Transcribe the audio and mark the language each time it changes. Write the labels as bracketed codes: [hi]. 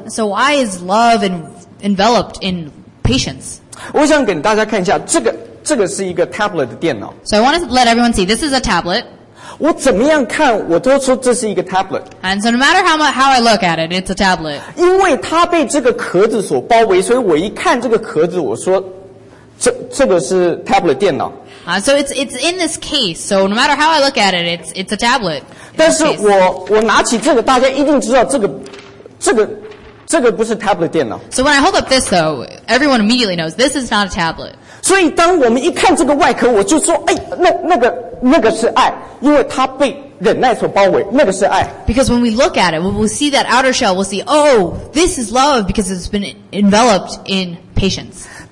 [en] So why is love enveloped in patience? [zh] 我想给大家看一下,这个是一个tablet的电脑。 [en] So I want to let everyone see, this is a tablet. [zh] 我怎么样看,我都说这是一个tablet. [en] And so no matter how I look at it, it's a tablet. [zh] 因为它被这个壳子所包围,所以我一看这个壳子,我说这个是tablet电脑. [en] So it's in this case, so no matter how I look at it, it's a tablet. [zh] 但是我拿起这个,大家一定知道这个不是tablet电脑. [en] So when I hold up this though, everyone immediately knows this is not a tablet. [zh] 所以当我们一看这个外壳,我就说,哎,那个是爱,因为它被忍耐所包围,那个是爱。 [en] Because when we look at it, we'll see that outer shell, we'll see, oh, this is love because it's been enveloped in patience.